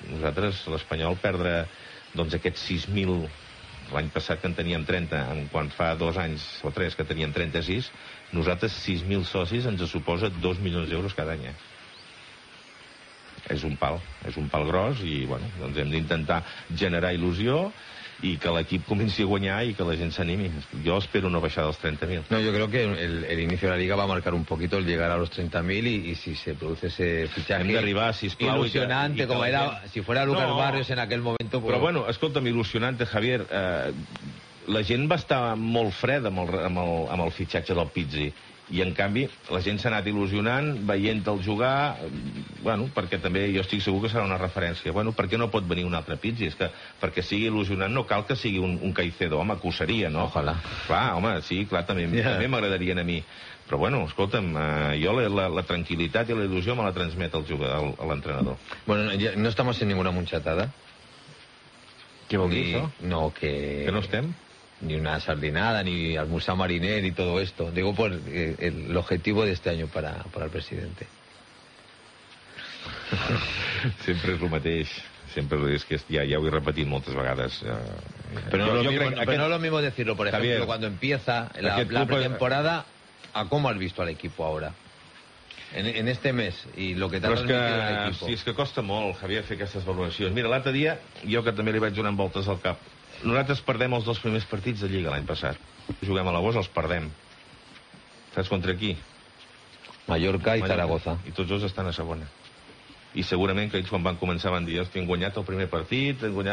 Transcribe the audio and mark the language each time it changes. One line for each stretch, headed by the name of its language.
Catalan: Nosaltres, l'Espanyol, perdre doncs, aquests 6.000 l'any passat que en teníem 30, quan fa 2 anys o 3 que teníem 36, nosaltres 6.000 socis ens suposa 2 milions d'euros cada any. És un pal gros, i bueno, doncs hem d'intentar generar il·lusió
Spanish: y que el equipo comience a ganar y que la gente se anime. Yo espero no bajar a los 30.000. No, yo creo que el inicio de la liga va a marcar un poquito el llegar a los 30.000 y si se produce ese fichaje.
Catalan: Hem d'arribar, sisplau,
Spanish: ilusionante como era, si fuera Lucas Barrios en aquel momento. Pero bueno, escolta'm, ilusionante, Javier.
Catalan: la gent va estar molt freda amb el fitxatge del Pizzi. I, en canvi, la gent s'ha anat il·lusionant, veient-te'l jugar, bueno, perquè també jo estic segur que serà una referència. Bueno, per què no pot venir un altre Pizzi? És que perquè sigui il·lusionant no cal que sigui un Caicedo, home, que ho seria, no?
Spanish: Ojalá.
Catalan: Clar, home, sí, clar, també, yeah, també m'agradarien a mi. Però, bueno, escolta'm, jo la tranquil·litat i la il·lusió me la transmet el jugador, l'entrenador. Bueno, no estem en ninguna munxetada. Què vol dir, això? No, que... Que no estem?
Spanish: Ni una sardinada, ni almorzar mariner, ni todo esto. Digo, por el objetivo de este año para el presidente.
Catalan: Sempre és el mateix. Sempre és que ja ho he repetit moltes vegades. Però no és el mateix
Spanish: decirlo, por ejemplo, Javier, cuando empieza la pretemporada, a cómo has visto al equipo ahora. En este mes, y lo que te ha transmitido el equipo.
Catalan: Sí, és que costa molt, Javier, fer aquestes valoracions. Mira, l'altre dia, jo que també li vaig donant voltes al cap, nosaltres perdem els dos primers partits de Lliga l'any passat. Juguem a l'agost, els perdem. Saps contra qui? Mallorca i Zaragoza. I tots dos estan a segona. I segurament que ells quan van començar van dir, hòstia, hem guanyat el primer partit, hem guanyat...